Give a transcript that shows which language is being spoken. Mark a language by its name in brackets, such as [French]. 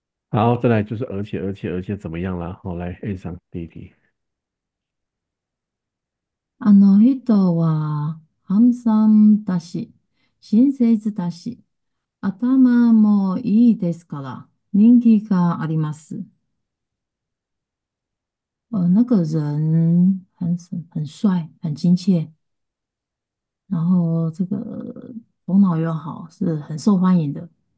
[Chinese] 好，再来就是而且怎么样了？好，来 A 上第一题。 [Japanese] の人は、ハンサムだし、親切だし、頭もいいですから、人気があります。 [Chinese] 那个人很帅，很亲切，然后这个头脑又好，是很受欢迎的。